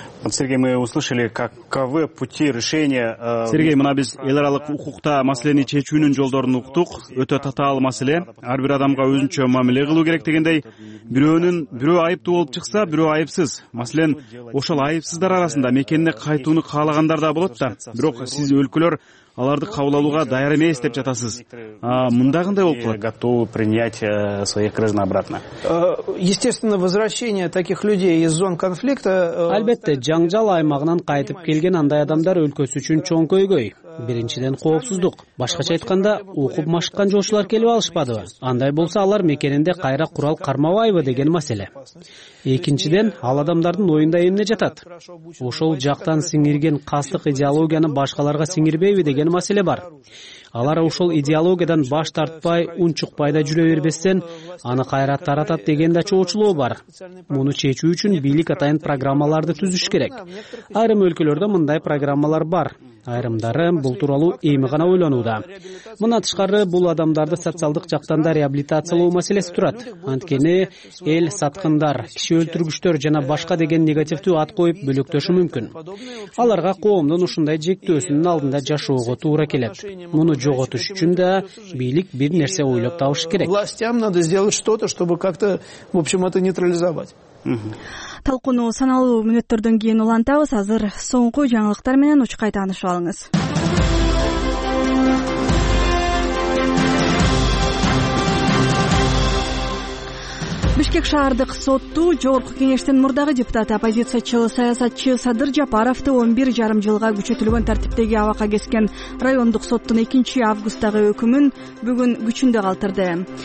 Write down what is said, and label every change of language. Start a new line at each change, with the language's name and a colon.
Russian: Сергей, мы услышали, каковы пути решения.
Kyrgyz: Сергей, мына биз эл аралык укукта маселени чечүүнүн жолдорун уктук. Өтө татаал маселе. Ар бир адамга өзүнчө мамиле кылуу керек дегендей, бирөө айыптуу болуп чыкса, бирөө айыпсыз. Маселен, ошол айыпсыздар арасында мекенине кайтууну каалагандар да болот да. Бирок сиз өлкөлөр аларды кабыл алууга даяр эмес деп жатасыз. Мында кандай болуп калат?
Russian: Готовы принять своих граждан обратно. Естественно, возвращение таких людей из зон конфликта.
Kyrgyz: Албетте, жаңжал аймагынан кайтып келген андай адамдар өлкөсү үчүн чоң көйгөй. Биринчиден коопсуздук, башкача айтканда, окуп машыккан жолчулар келип алышпадыбы? Андай болсо, алар мекенинде кайра курал кармабайбы деген маселе. Экинчиден, ал адамдардын оюнда эмне жатат? Ошол жактан сиңирген кастык идеологияны башкаларга сиңирбейби деген маселе бар. Алар ошол идеологиядан баш тартпай, ун чукпай да жүрө бербестен, аны кайра таратат деген да чоочулоо бар. Муну чечүү үчүн бийлик атайын программаларды түзүш керек. Айрым өлкөлөрдө мындай программалар бар. Айрымдары бул тууралуу эми гана ойлонууда. Мына тышкары бул адамдарды социалдык жактан да реабилитациялоо маселеси турат. Анткени эл саткындар, киши өлтүргүчтөр жана башка деген негативдүү ат коюп бөлөктөшү мүмкүн. Аларга коомдун ушундай жектөөсүнүн алдында жашоого туура келет. Муну жоготуш үчүн да бийлик бир нерсе ойлоп табыш керек.
Russian: Властям надо сделать что-то, чтобы как-то, в общем, это нейтрализовать.
Kyrgyz: Толкуну саналуу мүнөттөрдөн кийин улантабыз. Азыр соңку жаңылыктар менен учкай таанышып алыңыз. Бишкек шаардык сотту жогорку кеңештин мурдагы депутаты оппозициячыл саясатчы Садыр Жапаровду 11 жарым жылга күчөтүлгөн тартиптеги абакка кескен райондук соттун 2-августтагы өкүмүн бүгүн күчүндө калтырды.